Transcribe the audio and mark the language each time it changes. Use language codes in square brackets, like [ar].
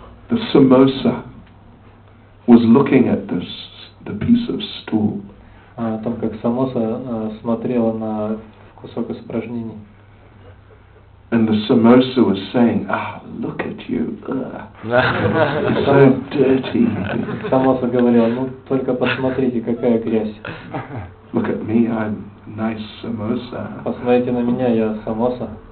[en] The samosa was looking at this, the piece of stool. [ru] О том, как самоса смотрела на кусок испражнений. [en] And the samosa was saying, "Ah, look at you! You're so dirty." [ru] Самоса говорила, "Ну только посмотрите, какая грязь." [en] Look at me, I'm nice samosa. [ru] Посмотрите на меня, я самоса.